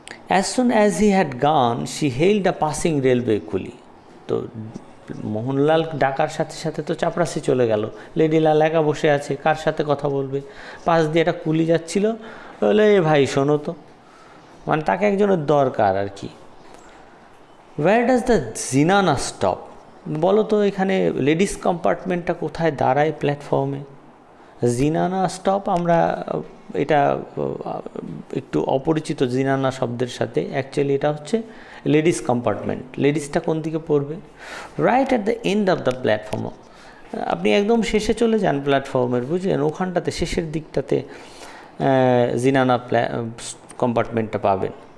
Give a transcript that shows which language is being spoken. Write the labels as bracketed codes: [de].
[en] As soon as he had gone she hailed a passing railway coolie. [bn] তো মোহনলাল ডাকার সাথে সাথে তো চাপরাশি চলে গেল, লেডি লাল একা বসে আছে, কার সাথে কথা বলবে, পাশ দিয়ে একটা কুলি যাচ্ছিল, বলে এ ভাই শোনো তো, মানে তাকে একজনের দরকার আর কি। [en] Where does the zenana stop? [bn] বলো তো এখানে লেডিস কম্পার্টমেন্টটা কোথায় দাঁড়ায় প্ল্যাটফর্মে? জিনানা স্টপ, আমরা এটা একটু অপরিচিত জিনানা শব্দের সাথে, অ্যাকচুয়ালি এটা হচ্ছে লেডিস কম্পার্টমেন্ট। লেডিসটা কোন দিকে পড়বে? [en] right at the end of the platform, [bn] আপনি একদম শেষে চলে যান প্ল্যাটফর্মের, বুঝলেন, ওখানটাতে শেষের দিকটাতে জিনানা কম্পার্টমেন্টটা পাবেন।